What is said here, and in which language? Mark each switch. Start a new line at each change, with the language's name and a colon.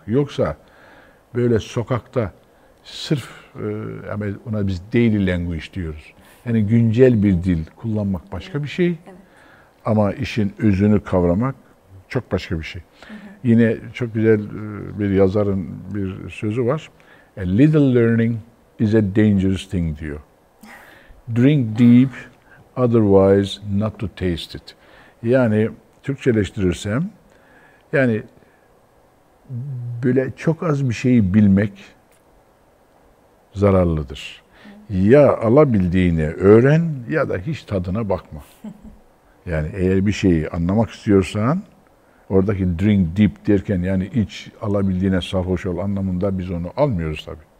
Turkish: Yoksa böyle sokakta sırf ona biz daily language diyoruz. Yani güncel bir dil kullanmak başka bir şey. Ama işin özünü kavramak çok başka bir şey. Yine çok güzel bir yazarın bir sözü var.
English: A little learning is a dangerous thing diyor. Drink deep, otherwise not to taste it.
Turkish: Yani Türkçeleştirirsem, yani böyle çok az bir şeyi bilmek zararlıdır. Ya alabildiğini öğren ya da hiç tadına bakma. Yani eğer bir şeyi anlamak istiyorsan, oradaki
English: drink deep
Turkish: derken yani iç, alabildiğine sarhoş ol anlamında biz onu almıyoruz tabii.